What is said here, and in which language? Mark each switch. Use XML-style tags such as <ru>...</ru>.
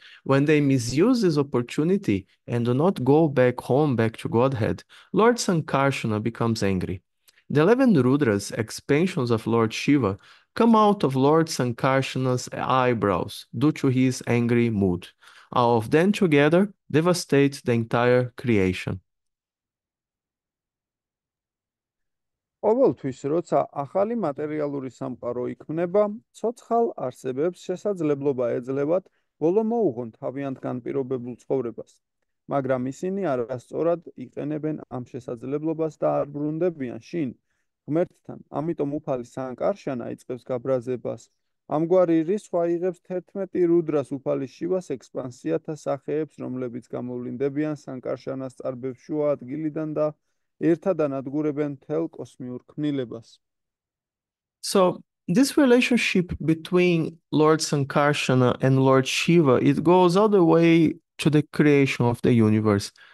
<en>When they misuse this opportunity and do not go back home, back to Godhead, Lord Sankarsana becomes angry. The 11 Rudras, expansions of Lord Shiva, come out of Lord Sankarsana's eyebrows due to his angry mood. All of them together devastate the entire creation.</en> <ka>ყოველთვის, როცა ახალი მატერიალური სამყარო იქმნება, ცოცხალ არსებებს შესაძლებლობა ეძლევათ, ბოლო მოუღონ თავიანთ განპირობებულ ცხოვრებას, მაგრამ ისინი არასწორად იყენებენ ამ შესაძლებლობას და არ ბრუნდებიან შინ ღმერთთან. ამიტომ უფალი სანკარშანა იწყებს გაბრაზებას, ამგვარი რისხვა იღებს 11 რუდრას უფალი შივას ექსპანსიათა სახეებს, რომლებიც გამოვლინდებიან სანკარშანას წარბებს შუა ადგილიდან და ერთადან ადგურებენ მთელ კოსმიურ ქმნილებას.</ka> <en>So this relationship between Lord Sankarsana and Lord Shiva, it goes all the way to the creation of the universe.</en>